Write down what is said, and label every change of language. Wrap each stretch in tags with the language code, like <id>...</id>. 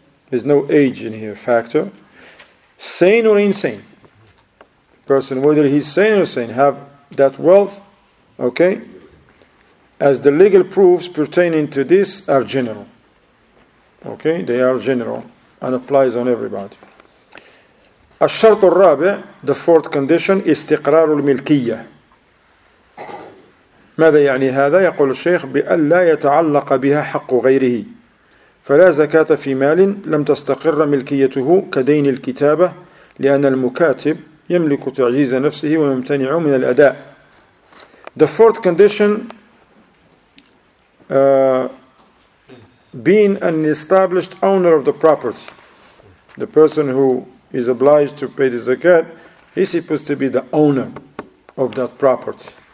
<en>There's no age in here factor. Sane or insane. Person, whether he's sane or sane, have that wealth, okay? As the legal proofs pertaining to this are general. Okay? They are general and applies on everybody.</en> <ar>الشرط الرابع,</ar> <en>the fourth condition,</en> <ar>استقرار الملكية. ماذا يعني هذا؟ يقول الشيخ بأن لا يتعلق بها حق غيره فلا زكاة في مال لم تستقر ملكيته كدين الكتابة لأن المكاتب يملك تعجيز نفسه ويمتنع من الأداء.</ar> <en>The fourth condition being an established owner of the property. The person who is obliged to pay the zakat, he's supposed to be the owner of that property.</en>